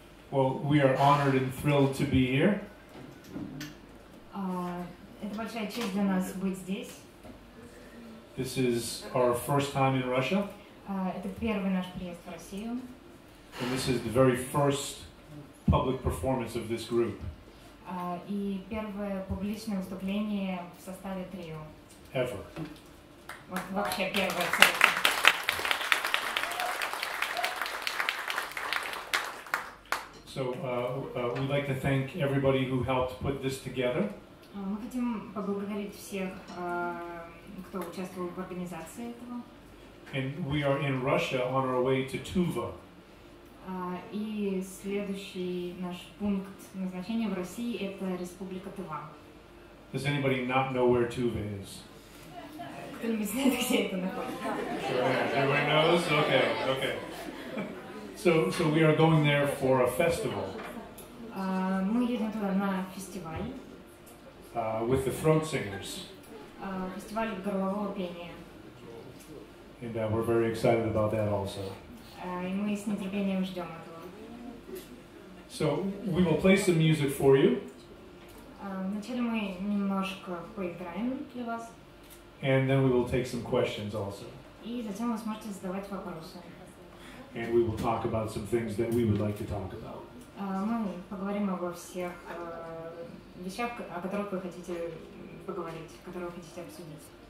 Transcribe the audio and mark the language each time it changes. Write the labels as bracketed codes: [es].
[en] Well, we are honored and thrilled to be here. [ru] Это большая честь для нас быть здесь. [en] This is our first time in Russia. [ru] Это первый наш приезд в Россию. [en] And this is the very first public performance of this group. [ru] И первое публичное выступление в составе трио. [en] Ever. [ru] Вообще первое. [en] So we'd like to thank everybody who helped put this together. [ru] Мы хотим поблагодарить всех, кто участвовал в организации этого. [en] And we are in Russia on our way to Tuva. [ru] И следующий наш пункт назначения в России – это Республика Тыва. [en] Does anybody not know where Tuva is? [ru] Кто-нибудь знает, где это находится? [en] Everybody knows? Okay, okay. So we are going there for a festival. [ru] Мы едем туда на фестиваль. [en] With the throat singers. [ru] Фестиваль горлового пения. [en] And we're very excited about that also. [ru] И мы с нетерпением ждем этого. [en] So we will play some music for you. [ru] Вначале мы немножко поиграем для вас. [en] And then we will take some questions also. [ru] И затем вы сможете задавать вопросы. [en] And we will talk about some things that we would like to talk about. [ru] Мы поговорим обо всех вещах, о которых вы хотите поговорить, которые вы хотите обсудить.